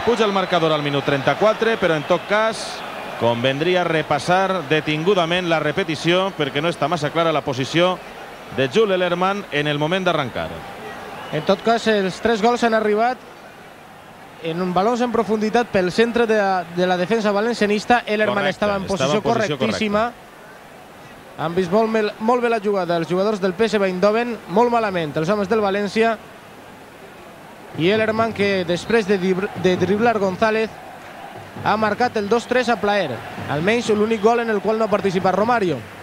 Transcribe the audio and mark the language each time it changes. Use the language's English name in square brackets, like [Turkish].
[Catalan] Puja el marcador al minut 34, però en tot cas convendria repassar detingudament la repetició perquè no està massa clara la posició de Jules Ellermann en el moment d'arrencar. En tot cas, els tres gols han arribat [Spanish] en un balón en profundidad pel centro de la defensa valencianista. Ellerman estaba en posición correctísima. [Catalan] Han vist molt bé la jugada els jugadors del PSV Eindhoven, molt malament els homes del València. I Ellerman, que després de driblar González, ha marcat el 2-3 a plaer. Almenys l'únic gol en el qual no ha participat Romario.